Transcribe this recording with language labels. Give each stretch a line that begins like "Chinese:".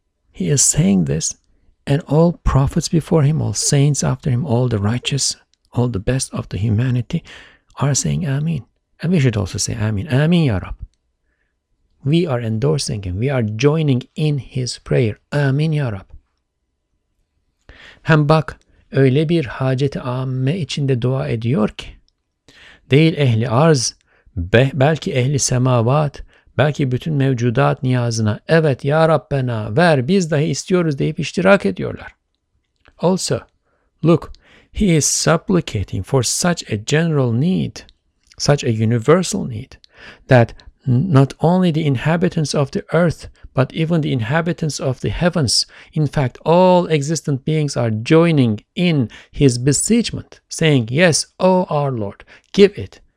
English: He is saying this, and all prophets before him, all saints after him, all the righteous, all the best of the humanity are saying Amin. And we should also say Amin.
Arabic: Amin, Ya Rab.
English: We are endorsing him. We are joining in his prayer.
Arabic: Amin, Ya Rab.
Turkish: Hem bak, öyle bir hacet-i amme içinde dua ediyor ki, değil ehli arz, belki ehli semavat, belki bütün mevcudat niyazına, evet ya Rabbena ver, biz dahi istiyoruz deyip iştirak ediyorlar.
English: Also, look, he is supplicating for such a general need, such a universal need, that not only the inhabitants of the earth, but even the inhabitants of the heavens, in fact, all existent beings are joining in his beseechment, saying, yes, O our Lord, give it.